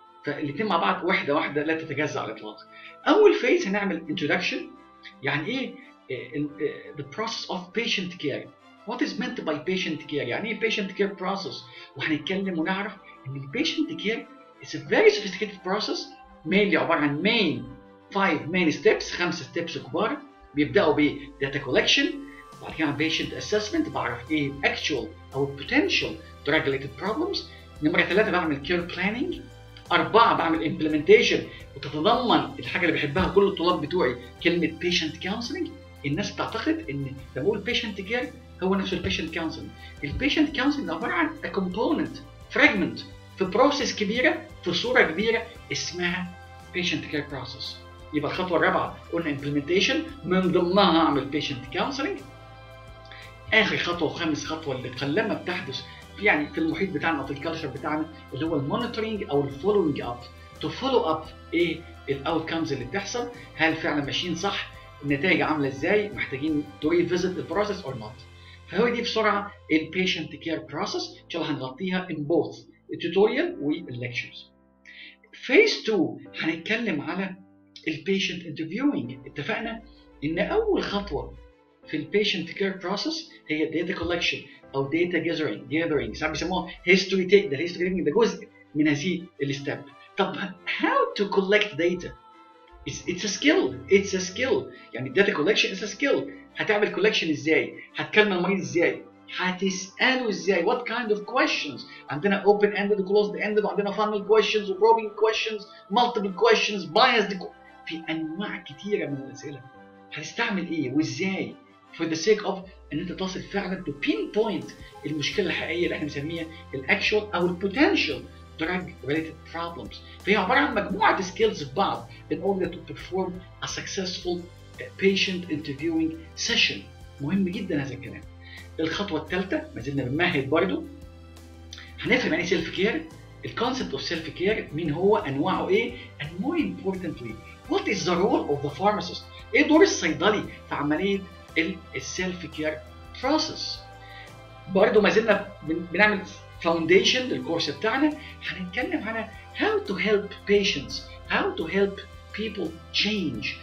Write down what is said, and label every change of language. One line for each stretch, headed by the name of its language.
Arabic: فالاتنين مع بعض واحدة واحدة لا تتجزأ على الإطلاق. أول phase هنعمل introduction. يعني إيه
English: the process of patient care. What is meant by patient care؟
Arabic: يعني إيه
English: patient care process؟
Arabic: وهنتكلم ونعرف إن
English: patient care is a very sophisticated process. mainly
Arabic: عبارة عن
English: main five main steps.
Arabic: خمسة steps كبار. بيبدأوا بdata collection. بعد كده
English: patient assessment
Arabic: بعرف ايه
English: actual او potential drug related problems.
Arabic: نمرة ثلاثة بعمل care planning. أربعة بعمل implementation وتتضمن الحاجة اللي بحبها كل الطلاب بتوعي كلمة patient counseling. الناس بتعتقد ان لما اقول patient care هو نفسه patient counseling. patient counseling عبارة عن
English: a component fragment
Arabic: في process كبيرة في صورة كبيرة اسمها patient care process. يبقى الخطوة الرابعة قلنا implementation من ضمنها اعمل patient counseling. آخر خطوة وخامس خطوة اللي قلما بتحدث في يعني في المحيط بتاعنا أو في الكالتشر بتاعنا اللي هو المونيتورينج أو الفولوينج أب. تو فولو أب إيه الأوتكمز اللي بتحصل؟ هل فعلا ماشيين صح؟ النتائج عامله ازاي، محتاجين
English: to revisit the process or not.
Arabic: فهو دي بسرعه ال patient care process ان شاء الله هنغطيها
English: in both the tutorial
Arabic: وال lectures.
English: phase 2
Arabic: هنتكلم على ال
English: patient interviewing.
Arabic: اتفقنا ان اول خطوه في ال patient care process هي data collection او data gathering، ساعات بيسموها history take. ده history taking ده جزء من هذه ال step.
English: طب how to collect data؟ It's a skill. يعني data collection is a skill. هتعمل collection
Arabic: ازاي؟ هتكلم المريض ازاي؟ هتسأله ازاي؟
English: What kind of questions؟ عندنا open-ended, closed-ended، عندنا funnel questions، probing questions، multiple questions، biased.
Arabic: في أنواع كتيرة من الأسئلة. هتستعمل ايه وازاي؟
English: For the sake of
Arabic: ان انت تصل فعلا
English: to pinpoint
Arabic: المشكلة الحقيقية اللي احنا بنسميها ال actual او ال potential drug related problems. فهي عبارة عن مجموعة skills بعض
English: in order to perform a successful patient interviewing session.
Arabic: مهم جدا هذا الكلام. الخطوة الثالثة ما زلنا بنمهد برضو، هنفهم يعني self care.
English: The concept of self care،
Arabic: مين هو، انواعه ايه،
English: and more importantly what is the role of the pharmacist،
Arabic: ايه دور الصيدلي في عملية
English: self care process.
Arabic: برضو ما زلنا بنعمل
English: foundation
Arabic: للكورس بتاعنا، هنتكلم على
English: how to help patients، how to help people change.